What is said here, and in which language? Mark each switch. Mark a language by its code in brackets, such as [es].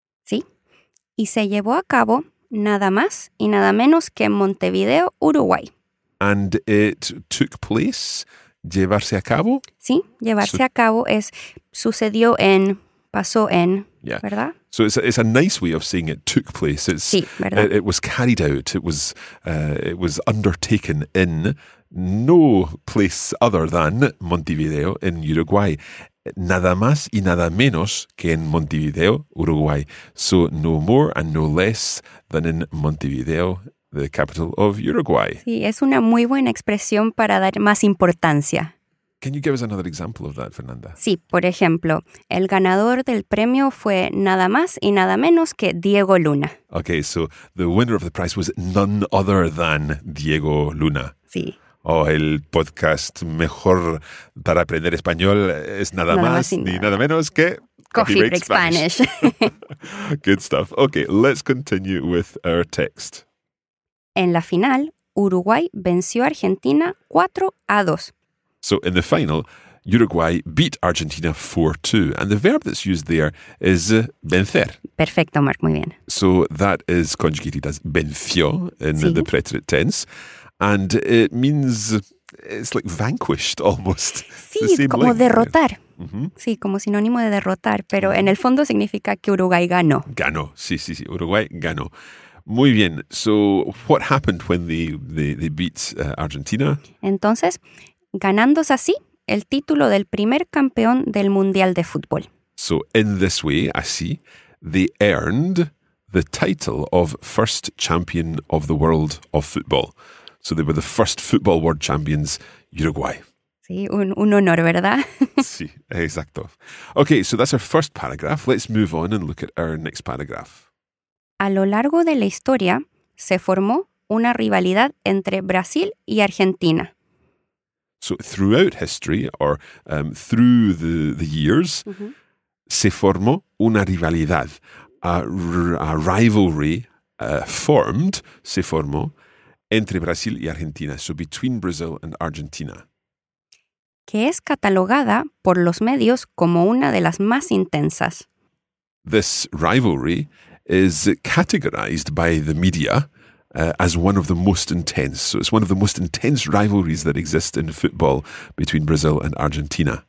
[es] Sí, y se llevó a cabo nada más y nada menos que en Montevideo, Uruguay. [en] And it took place, llevarse a cabo. [es] Sí, llevarse a cabo es sucedió en, pasó en, [en] yeah. [es] ¿Verdad? [en] So it's a nice way of saying it took place. It's, [es] sí, ¿verdad? [en] It was carried out. It was undertaken in no place other than Montevideo in Uruguay. [es] Nada más y nada menos que en Montevideo, Uruguay. [en] So no more and no less than in Montevideo, the capital of Uruguay. [es] Sí, es una muy buena expresión para dar más importancia. [en] Can you give us another example of that, Fernanda? [es] Sí, por ejemplo, el ganador del premio fue nada más y nada menos que Diego Luna. [en] Okay, so the winner of the prize was none other than Diego Luna. [es] Sí. Oh, el podcast mejor para aprender español es nada más ni nada menos que Coffee Break Spanish. [en] Good stuff. Okay, let's continue with our text. [es] En la final, Uruguay venció a Argentina 4-2. [en] So in the final, Uruguay beat Argentina 4-2. And the verb that's used there is vencer. [es] Perfecto, Mark. Muy bien. [en] So that is conjugated as venció in sí. the preterite tense. And it means, it's like vanquished almost. [es] Sí, es como line. Derrotar. Mm-hmm. Sí, como sinónimo de derrotar. Pero en el fondo significa que Uruguay ganó. Ganó. Sí, sí, sí. Uruguay ganó. Muy bien. [en] So, what happened when they beat Argentina? [es] Entonces, ganándose así el título del primer campeón del Mundial de Fútbol. [en] So, in this way, así, they earned the title of first champion of the world of football. So, they were the first football world champions, Uruguay. [es] Sí, un honor, ¿verdad? Sí, exacto. [en] Okay, so that's our first paragraph. Let's move on and look at our next paragraph. [es] A lo largo de la historia, se formó una rivalidad entre Brasil y Argentina. [en] So throughout history, or through the years, mm-hmm. [es] se formó una rivalidad, [en] a rivalry formed, [es] se formó, entre Brasil y Argentina. [en] So between Brazil and Argentina. [es] Que es catalogada por los medios como una de las más intensas. [en] This rivalry is categorized by the media as one of the most intense. So it's one of the most intense rivalries that exist in football between Brazil and Argentina.